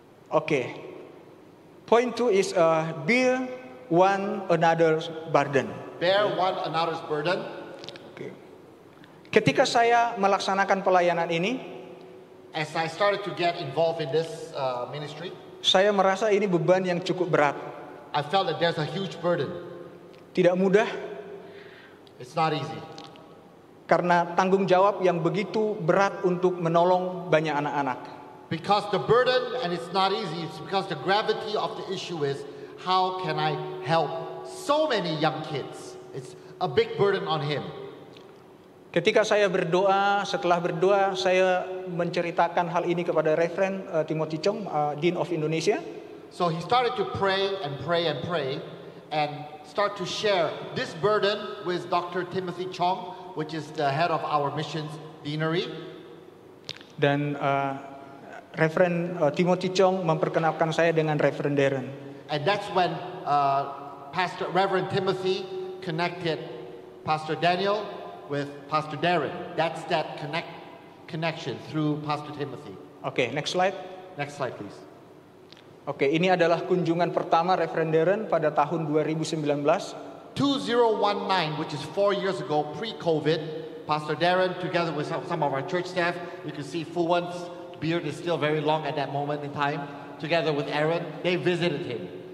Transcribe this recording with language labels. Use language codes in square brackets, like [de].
[en] Okay. Point two is bear one another's burden. Bear one another's burden. [id] Okay. Ketika saya melaksanakan pelayanan ini, [en] as I started to get involved in this ministry, [id] saya merasa ini beban yang cukup berat. [en] I felt that there's a huge burden. [id] Tidak mudah. [en] It's not easy. [id] Karena tanggung jawab yang begitu berat untuk menolong banyak anak-anak. [en] Because the burden, and it's not easy, it's because the gravity of the issue is, how can I help so many young kids? It's a big burden on him. [id] Ketika saya berdoa, setelah berdoa, saya menceritakan hal ini kepada Reverend Timothy Chong, Dean of Indonesia. [en] So he started to pray and pray and pray, and start to share this burden with Dr. Timothy Chong, which is the head of our missions deanery. [id] Dan Reverend Timothy Chong memperkenalkan saya dengan Reverend Darren. [en] And that's when Pastor Reverend Timothy connected Pastor Daniel with Pastor Darren. That's that connection through Pastor Timothy. Okay, next slide. Next slide, please. [id] Okay, ini adalah kunjungan pertama Reverend Darren pada tahun 2019. [en] 2019, which is 4 years ago, pre-COVID, Pastor Darren, together with some of our church staff, you can see Fuwan's beard is still very long at that moment in time, together with Aaron, they visited him.